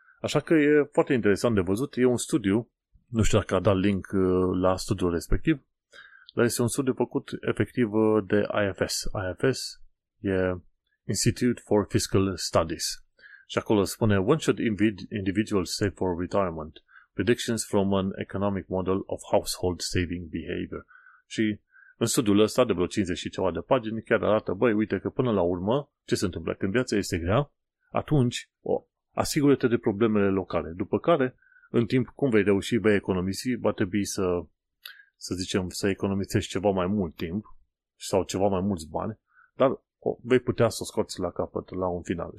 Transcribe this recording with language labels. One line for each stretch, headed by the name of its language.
Romanian: Așa că e foarte interesant de văzut, e un studiu, nu știu dacă a dat link la studiul respectiv, dar este un studiu făcut efectiv de IFS. IFS e Institute for Fiscal Studies. Și acolo spune,
English: when should individuals save for retirement? Predictions from an economic model of household saving behavior.
Romanian: Și în studiul ăsta, de vreo 50 și ceva de pagini, chiar arată, băi, uite că până la urmă, ce se întâmplă? Când viața este grea, atunci asigură-te de problemele locale. După care, în timp, cum vei reuși, vei economisi, va trebui să economisești ceva mai mult timp sau ceva mai mulți bani, dar vei putea să o scoți la capăt, la un final.